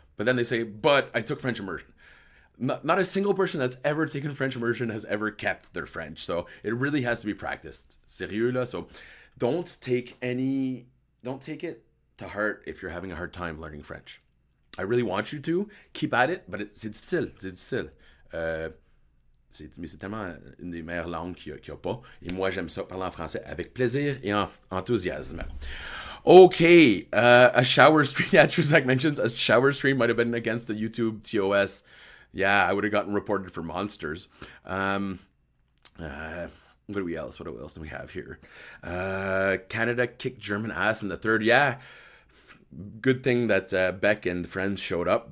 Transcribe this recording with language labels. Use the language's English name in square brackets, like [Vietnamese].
[English] But then they say, but I took French immersion. Not a single person that's ever taken French immersion has ever kept their French. So it really has to be practiced. [French] Sérieux, là. [English] So don't take it to heart if you're having a hard time learning French. I really want you to keep at it, but it's difficile. [French] C'est difficile. C'est tellement une des meilleures langues qu'il n'y a pas. Et moi, j'aime ça parler en français avec plaisir et enthousiasme. [English] Okay, a shower stream. Yeah, Trusak mentions a shower stream might have been against the YouTube TOS. Yeah, I would have gotten reported for monsters. What else do we have here? Canada kicked German ass in the third. Yeah, good thing that Beck and friends showed up.